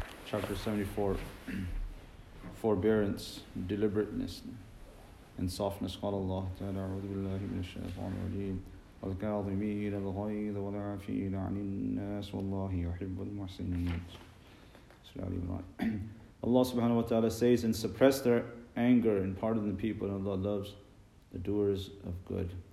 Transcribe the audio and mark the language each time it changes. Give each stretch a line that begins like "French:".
English: chapter 74, forbearance, deliberateness, and softness.
Arabic: قال الله تعالى أعوذ بالله من الشيطان الرجيم والكاظمين الغيظ والعافين عن الناس والله يحب المحسنين.
English: Allah subhanahu wa ta'ala says, and suppress their anger and pardon the people, and Allah loves the doers of good.